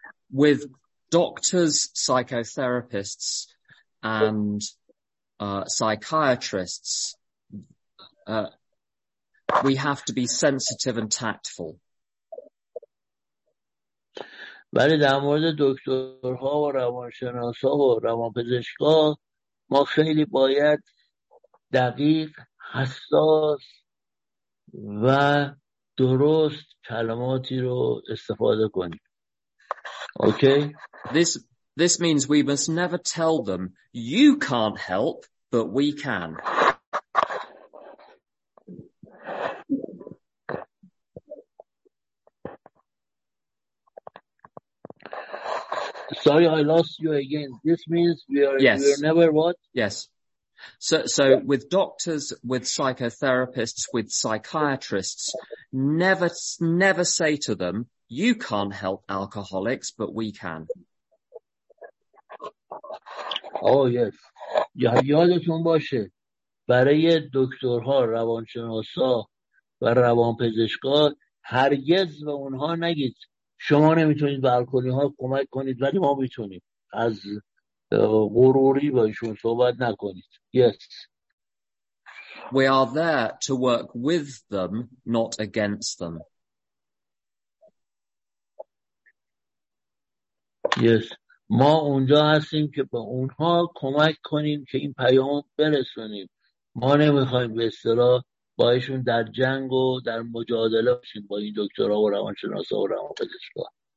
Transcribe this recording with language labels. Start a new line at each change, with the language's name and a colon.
English: With doctors, psychotherapists and psychiatrists, we have to be sensitive and tactful.
Persian: ولی در مورد دکترها و روانشناسا و روانپزشکا ما خیلی باید دقیق، حساس و درست کلماتی رو استفاده کنیم.
English: Okay? This means we must never tell them, you can't help, but we can. Sorry, I lost you again. This means we are never what? Yes. So, with doctors, with psychotherapists, with psychiatrists, never say to them, you can't help alcoholics, but we can. Oh yes.
Persian: یادتون باشه برای دکترها، روانشناسا و روانپزشکا هرگز به اونها نگید شما نمیتونید به الکلی ها کمک کنید ولی ما میتونیم. از غروری با ایشون صحبت نکنید.
English: Yes. We are there to work with them, not against them. Yes.
Persian: ما اونجا هستیم که به اونها کمک کنیم که این پیام برسونیم. ما نمیخوایم به اصطلاح باشون در جنگ و در مجادله باشیم با این دکترها و روانشناسها و روانپزشکها.